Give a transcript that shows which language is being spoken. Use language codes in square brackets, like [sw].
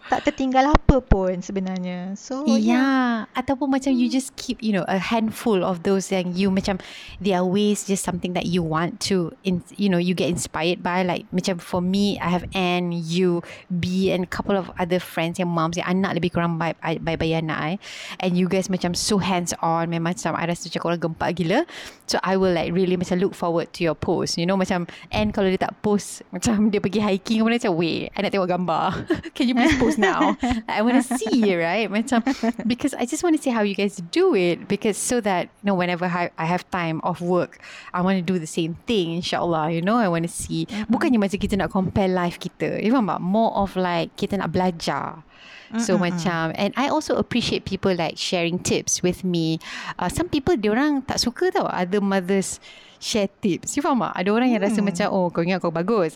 [ms] Tak tertinggal apa pun sebenarnya. [en] So Ataupun macam you just keep, you know, a handful of those yang you macam, there are ways just something that you want to, you know, you get inspired by. Like macam for me, I have Anne, you, B and a couple of other friends yang moms, yang anak lebih kurang by anak I. [ms] And you guys macam so hands on, memang macam I rasa macam orang gempak gila. [en] So I will like really macam look forward to your post. You know macam, and [ms] kalau dia tak post, macam dia pergi hiking, mana macam, [en] wait, I nak tengok gambar. Can you please post now? I want to see, right? Macam, because I just want to see how you guys do it. Because so that, you know, whenever I have time off work, I want to do the same thing, insyaAllah. You know, I want to see. [ms] Bukannya macam kita nak compare life kita. [en] You faham tak? More of like, [ms] kita nak belajar. [en] So macam, and I also appreciate people like sharing tips with me. Some people [ms] diorang tak suka tau [en] other mothers share tips. You faham tak? [ms] Ada orang yang rasa macam, oh kau ingat kau bagus.